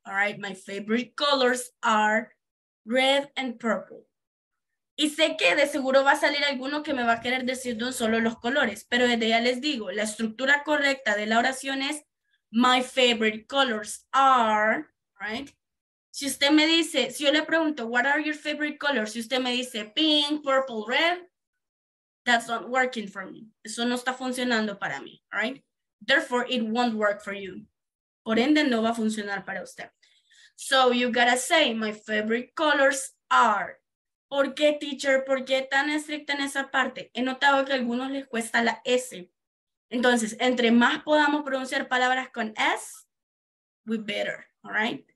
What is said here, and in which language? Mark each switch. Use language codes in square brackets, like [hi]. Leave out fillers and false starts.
[en] All right, my favorite colors are red and purple. [es] Y sé que de seguro va a salir alguno que me va a querer decir de un solo los colores, pero desde ya les digo, la estructura correcta de la oración es [en] my favorite colors are, [es] right? Si usted me dice, si yo le pregunto, [en] what are your favorite colors? [es] Si usted me dice [en] pink, purple, red, that's not working for me. [es] Eso no está funcionando para mí, right? [en] Therefore, it won't work for you. [es] Por ende, no va a funcionar para usted. [en] So you gotta say, my favorite colors are. [es] ¿Por qué, teacher? ¿Por qué tan estricta en esa parte? He notado que a algunos les cuesta la S. Entonces, entre más podamos pronunciar palabras con S, [en] we better, [es] all right?